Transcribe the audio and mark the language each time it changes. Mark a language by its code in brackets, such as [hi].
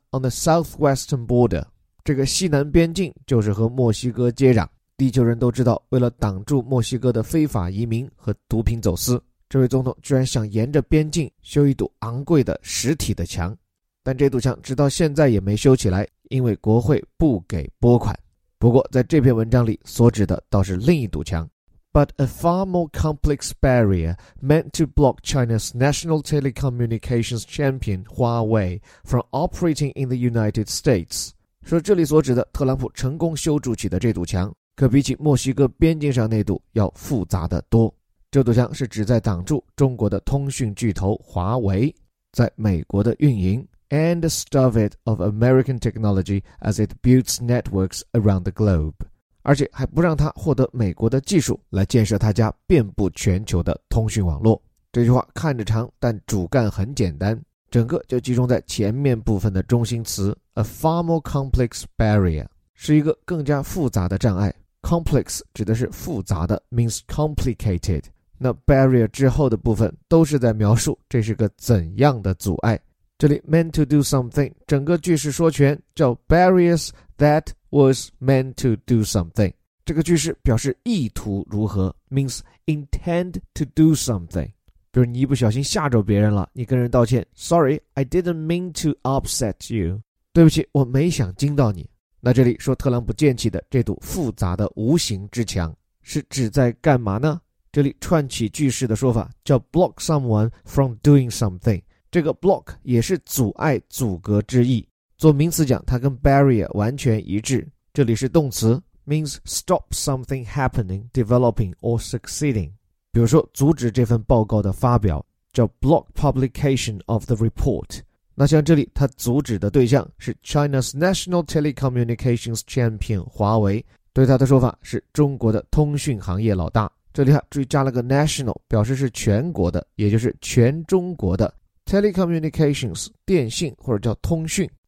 [en] on the southwestern border, [zh] 这个西南边境就是和墨西哥接壤，地球人都知道为了挡住墨西哥的非法移民和毒品走私，这位总统居然想沿着边境修一堵昂贵的实体的墙，但这堵墙直到现在也没修起来，因为国会不给拨款。不过在这篇文章里所指的倒是另一堵墙， [en] but a far more complex barrier meant to block China's national telecommunications champion Huawei from operating in the United States. [zh] 说这里所指的特朗普成功修筑起的这堵墙，可比起墨西哥边境上那堵要复杂的多。这堵墙是旨在挡住中国的通讯巨头华为在美国的运营 [en] and stop it of American technology as it builds networks around the globe， [zh] 而且还不让他获得美国的技术来建设他家遍布全球的通讯网络。这句话看着长，但主干很简单，整个就集中在前面部分的中心词 [en] a far more complex barrier， [zh] 是一个更加复杂的障碍。Complex 指的是复杂的 [en] means complicated， [zh] 那 barrier 之后的部分都是在描述这是个怎样的阻碍。这里 [en] meant to do something [zh] 整个句式说全叫 [en] barriers that was meant to do something， [zh] 这个句式表示意图如何 [en] means intend to do something， [zh] 比如你一不小心吓着别人了，你跟人道歉 [en] sorry I didn't mean to upset you， [zh] 对不起我没想惊到你。那这里说特朗普建起的这堵复杂的无形之墙是旨在干嘛呢？这里串起句式的说法叫 [en] block someone from doing something， [zh] 这个 block 也是阻碍阻隔之意，做名词讲它跟 barrier 完全一致。这里是动词 [en] means stop something happening developing or succeeding， [zh] 比如说阻止这份报告的发表叫 [en] block publication of the report。 [zh] 那像这里他阻止的对象是 [en] China's national telecommunications champion [zh] 华为，对他的说法是中国的通讯行业老大。这里啊，注意加了个 national， 表示是全国的，也就是全中国的 telecommunications 电信或者叫通讯。